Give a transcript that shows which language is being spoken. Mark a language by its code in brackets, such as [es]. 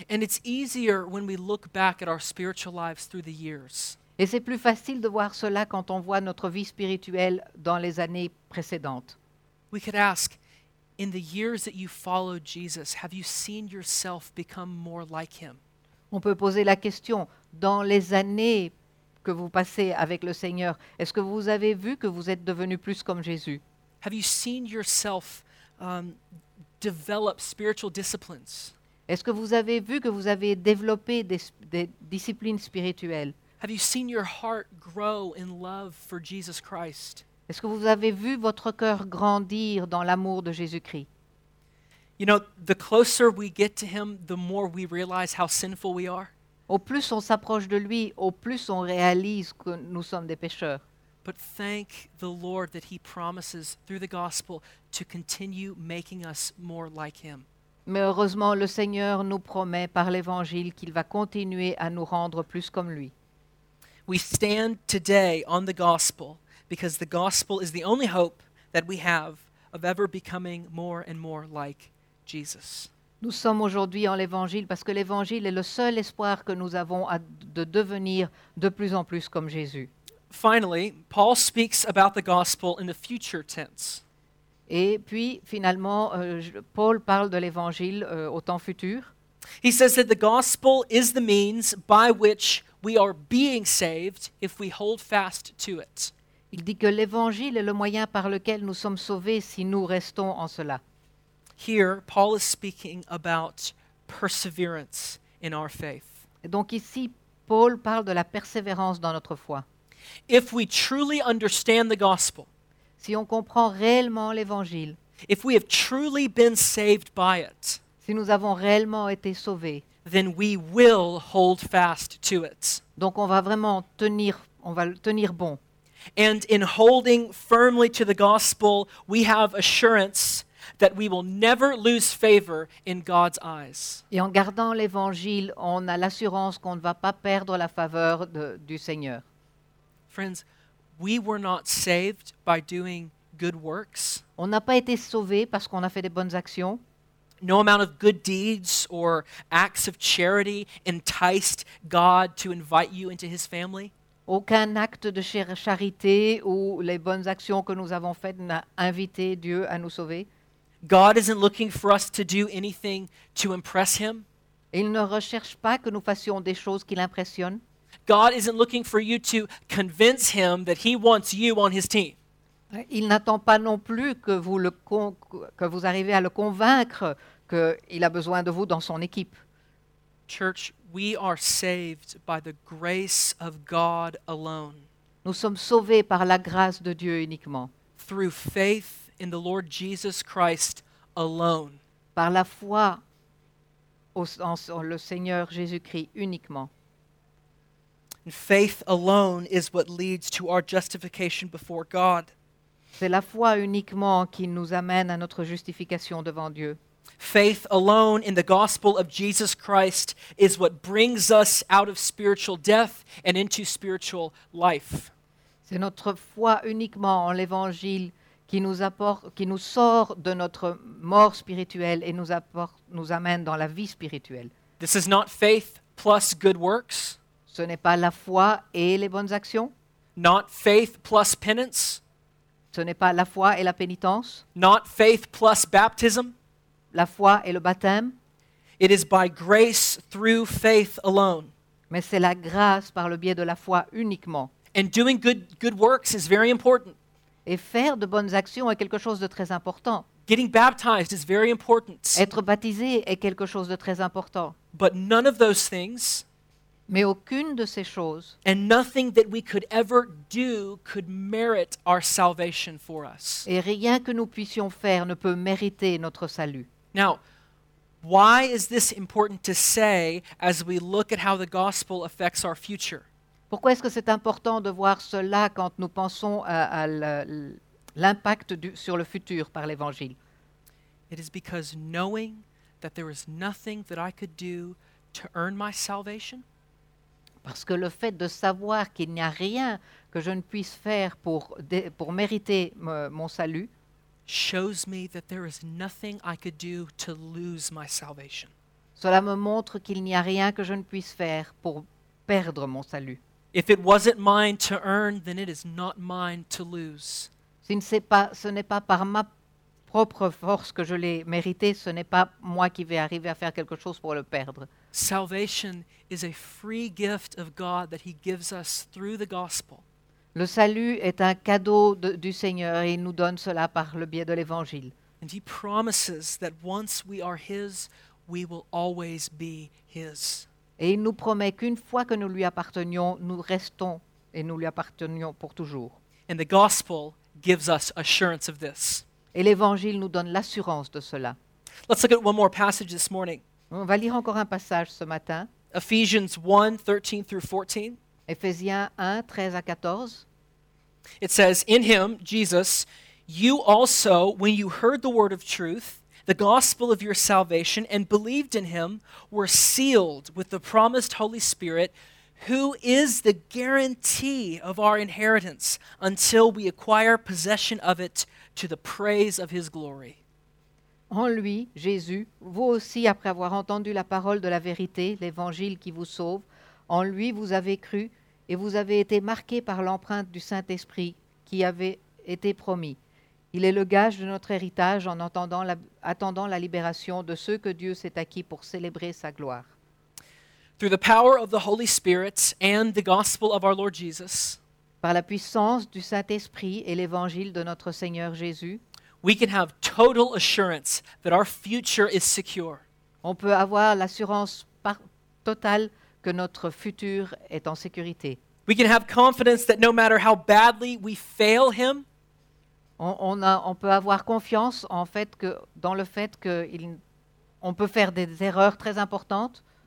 [en] And it's easier when we look back at our spiritual lives through the years. [fr] Et c'est plus facile de voir cela quand on voit notre vie spirituelle dans les années précédentes. [en] We could ask, in the years that you followed Jesus, have you seen yourself become more like him? [fr] On peut poser la question, dans les années que vous passez avec le Seigneur, est-ce que vous avez vu que vous êtes devenu plus comme Jésus? [en] Have you seen yourself develop spiritual disciplines? [fr] Est-ce que vous avez vu que vous avez développé des disciplines spirituelles? [en] Have you seen your heart grow in love for Jesus Christ? [fr] Est-ce que vous avez vu votre cœur grandir dans l'amour de Jésus-Christ? [en] You know, the closer we get to him, the more we realize how sinful we are. [fr] Au plus on s'approche de lui, au plus on réalise que nous sommes des pécheurs. [en] But thank the Lord that he promises through the gospel to continue making us more like him. [fr] Mais heureusement, le Seigneur nous promet par l'évangile qu'il va continuer à nous rendre plus comme lui. [en] We stand today on the gospel because the gospel is the only hope that we have of ever becoming more and more like Jesus. [fr] Nous sommes aujourd'hui en l'évangile parce que l'évangile est le seul espoir que nous avons de devenir de plus en plus comme Jésus. [en] Finally, Paul speaks about the gospel in the future tense. [fr] Et puis finalement Paul parle de l'évangile au temps futur. [en] He says that the gospel is the means by which we are being saved if we hold fast to it. [fr] Il dit que l'évangile est le moyen par lequel nous sommes sauvés si nous restons en cela. [en] Here, Paul is speaking about perseverance in our faith. [fr] Et donc ici, Paul parle de la persévérance dans notre foi. [en] If we truly understand the gospel, [fr] si on comprend réellement l'évangile, [en] if we have truly been saved by it, [fr] si nous avons réellement été sauvés, [en] then we will hold fast to it. [fr] Donc on va vraiment tenir, on va tenir bon. [en] And in holding firmly to the gospel, we have assurance that we will never lose favor in God's eyes. [fr] Et en gardant l'évangile, on a l'assurance qu'on ne va pas perdre la faveur du Seigneur. [en] Friends, we were not saved by doing good works. [fr] On n'a pas été sauvés parce qu'on a fait des bonnes actions. [en] No amount of good deeds or acts of charity enticed God to invite you into his family. [fr] Aucun acte de charité ou les bonnes actions que nous avons faites n'a invité Dieu à nous sauver. [en] God isn't looking for us to do anything to impress him. [fr] Il ne recherche pas que nous fassions des choses qui l'impressionnent. [en] God isn't looking for you to convince him that he wants you on his team. [fr] Il n'attend pas non plus que vous arriviez à le convaincre qu'il a besoin de vous dans son équipe. [en] Church, we are saved by the grace of God alone. [fr] Nous sommes sauvés par la grâce de Dieu uniquement. [en] Through faith in the Lord Jesus Christ alone. [fr] Par la foi en le Seigneur Jésus-Christ uniquement. [en] And faith alone is what leads to our justification before God. [fr] C'est la foi uniquement qui nous amène à notre justification devant Dieu. [en] Faith alone in the gospel of Jesus Christ is what brings us out of spiritual death and into spiritual life. [fr] C'est notre foi uniquement en l'évangile qui nous sort de notre mort spirituelle et nous amène dans la vie spirituelle. [en] This is not faith plus good works. [fr] Ce n'est pas la foi et les bonnes actions. [en] Not faith plus penance. [fr] Ce n'est pas la foi et la pénitence. [en] Not faith plus baptism. [fr] La foi et le baptême. [en] It is by grace through faith alone. [fr] Mais c'est la grâce par le biais de la foi uniquement. [en] And doing good works is very important. [fr] Et faire de bonnes actions est quelque chose de très important. [en] Getting baptized is very important. [fr] Être baptisé est quelque chose de très important. [en] But none of those things. [fr] Mais aucune de ces choses. [en] And nothing that we could ever do could merit our salvation for us. [fr] Et rien que nous puissions faire ne peut mériter notre salut. [en] Now, why is this important to say as we look at how the gospel affects our future? [fr] Pourquoi est-ce que c'est important de voir cela quand nous pensons à l'impact sur le futur par l'évangile? [en] It is because knowing that there is nothing that I could do to earn my salvation. [fr] Parce que le fait de savoir qu'il n'y a rien que je ne puisse faire pour mériter mon salut [en] shows me that there is nothing I could do to lose my salvation. [fr] Cela me montre qu'il n'y a rien que je ne puisse faire pour perdre mon salut. [en] If it wasn't mine to earn, then it is not mine to lose. [fr] Ce n'est pas par ma propre force que je l'ai mérité, ce n'est pas moi qui vais arriver à faire quelque chose pour le perdre. [en] Salvation is a free gift of God that he gives us through the gospel. [fr] Le salut est un cadeau du Seigneur et il nous donne cela par le biais de l'évangile. [en] And he promises that once we are his, we will always be his. [fr] Et il nous promet qu'une fois que nous lui appartenions, nous restons et nous lui appartenions pour toujours. [en] And the gospel gives us assurance of this. [fr] Et l'évangile nous donne l'assurance de cela. [en] Let's look at one more passage this morning. [fr] On va lire encore un passage ce matin. [en] Ephesians 1, 13 through 14. [fr] Ephésiens 1, 13 à 14. [en] It says, in him, Jesus, you also, when you heard the word of truth, the gospel of your salvation, and believed in him, were sealed with the promised Holy Spirit, who is the guarantee of our inheritance until we acquire possession of it to the praise of his glory. [fr] En lui, Jésus, vous aussi, après avoir entendu la parole de la vérité, l'évangile qui vous sauve, en lui vous avez cru et vous avez été marqués par l'empreinte du Saint-Esprit qui avait été promis. Il est le gage de notre héritage en attendant la libération de ceux que Dieu s'est acquis pour célébrer sa gloire. [en] Through the power of the Holy Spirit and the gospel of our Lord Jesus, [fr] par la puissance du Saint-Esprit et l'évangile de notre Seigneur Jésus, [en] we can have total assurance that our future is secure. [fr] On peut avoir l'assurance totale que notre futur est en sécurité. [en] We can have confidence that no matter how badly we fail him, [fr] on peut avoir confiance en fait que dans le fait que on peut faire des erreurs très importantes.